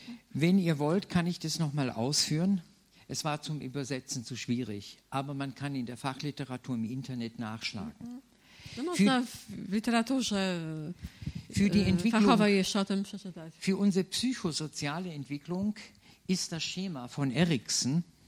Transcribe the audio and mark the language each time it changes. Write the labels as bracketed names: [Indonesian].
[German] Wenn ihr wollt, kann ich das nochmal ausführen. Es war zum Übersetzen zu schwierig, aber man kann in der Fachliteratur im Internet nachschlagen. [Polish] Można w literaturze fachowej jeszcze o tym przeczytać. [German] Für unsere psychosoziale Entwicklung ist das Schema von Erikson.